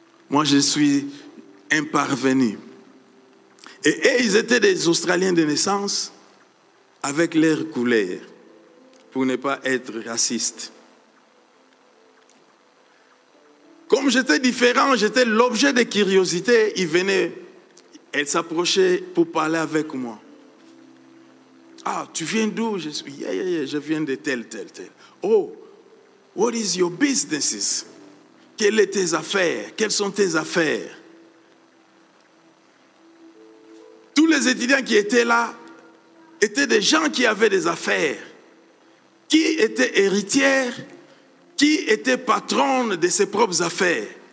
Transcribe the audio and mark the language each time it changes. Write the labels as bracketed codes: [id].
[fr] Moi, je suis un parvenu. Et ils étaient des Australiens de naissance avec leur couleur, pour ne pas être raciste. Comme j'étais différent, j'étais l'objet de curiosité, ils venaient, elles s'approchaient pour parler avec moi. Ah, tu viens d'où? Je suis, yeah, je viens de tel. [en] Oh, what is your business? [fr] Quelles sont tes affaires? Tous les étudiants qui étaient là étaient des gens qui avaient des affaires. Qui était héritière? Qui était patronne de ses propres affaires?